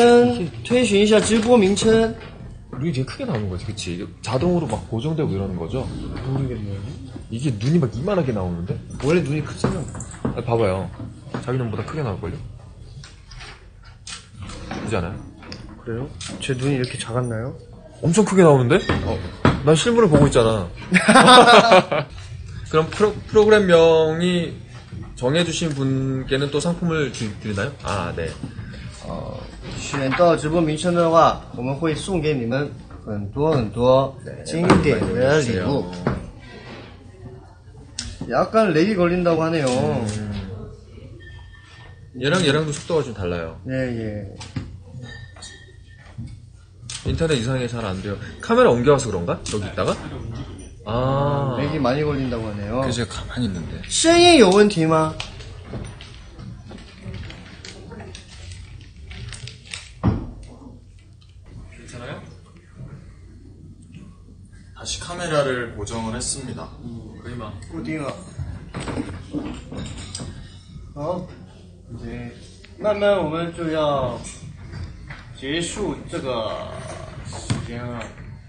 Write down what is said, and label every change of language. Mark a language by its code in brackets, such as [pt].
[zh] 粉丝们，希望你们告诉我们一下直播名称，推寻一下直播名称。 [ko] 우리 되게 크게 나오는 거지, 그치? 자동으로 막 고정되고 이러는 거죠? 모르겠네요. 이게 눈이 막 이만하게 나오는데? 원래 눈이 크잖아. 아, 봐봐요. 자기 눈보다 크게 나올걸요? 크지 않아요? 그래요? 제 눈이 이렇게 작았나요? 엄청 크게 나오는데? 어. 난 실물을 보고 있잖아. 그럼 프로그램명이 정해주신 분께는 또 상품을 드리나요? 아, 네. [zh] 选到直播名称的话，我们会送给你们很多很多经典的礼物。 [ko] 약간 렉이 걸린다고 하네요. 얘랑도 속도가 좀 달라요. 네, 예. 인터넷 이상이 잘 안 돼요. 카메라 옮겨와서 그런가? 여기 있다가? 아. 렉이 많이 걸린다고 하네요. 그래서 제가 가만히 있는데. 쉐이 요원팀아. 괜찮아요? 다시 카메라를 고정을 했습니다. 그리마. 꾸딩아. 어? 이제 [zh] 慢慢我们就要结束这个时间了。